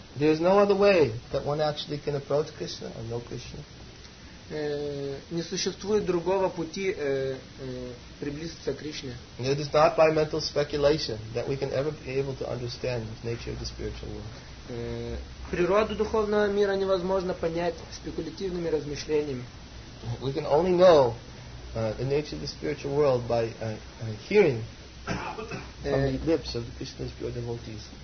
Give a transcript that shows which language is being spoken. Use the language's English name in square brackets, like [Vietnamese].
[English] There is no other way that one actually can approach Krishna or know Krishna. [Russian] Не существует другого пути приблизиться к Кришне. [English] It is not by mental speculation that we can ever be able to understand the nature of the spiritual world. [Russian] Природу духовного мира невозможно понять спекулятивными размышлениями. [English] We can only know the nature of the spiritual world by hearing from the lips of Krishna's pure devotees.